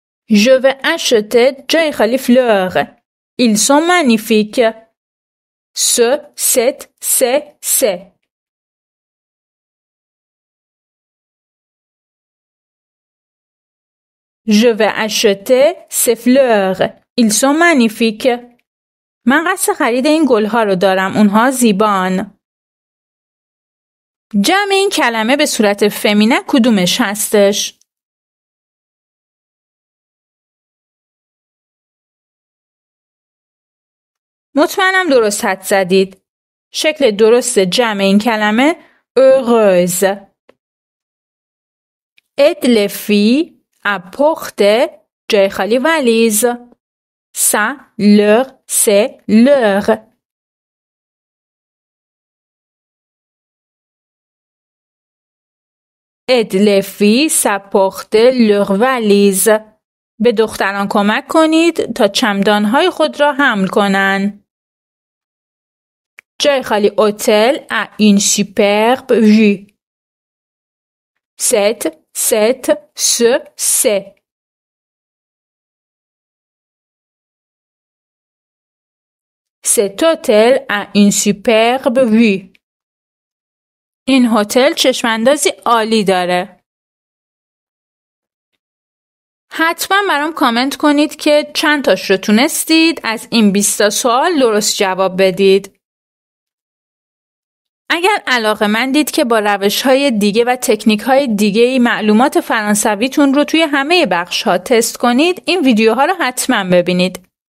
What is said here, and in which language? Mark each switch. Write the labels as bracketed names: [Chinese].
[French] Je vais acheter, [Persian] جای خالی, [French] fleur. Ils sont magnifiques. Ce, cet, c'est, c'est. Je vais acheter ces fleurs. Ils sont magnifiques. [Persian] من قصد خرید این گلها رو دارم. اونها زیبان. جمع این کلمه به صورت فمینه کدومش هستش؟ مطمئنم درست حد زدید. شکل درست جمع این کلمه heureuse. [French] Et les filles apportent, [Persian] جای خالی, [French] valise. Ça leur c'est leur. Et les filles apportent leur valise. [Persian] به دختران کمک کنید تا چمدان‌های خود را حمل کنن. جای خالی [French] هتل a une superbe vue. Cette, ce, c'est. cet hôtel a une superbe vue. [Persian] این هتل چشم‌اندازی عالی داره. حتما برام کامنت کنید که چند تاش رو تونستید از این 20 تا سوال درست جواب بدید. اگر علاقه مندید که با روش‌های دیگه و تکنیک‌های دیگه‌ای معلومات فرانسویتون رو توی همه بخش‌ها تست کنید، این ویدیوها رو حتما ببینید.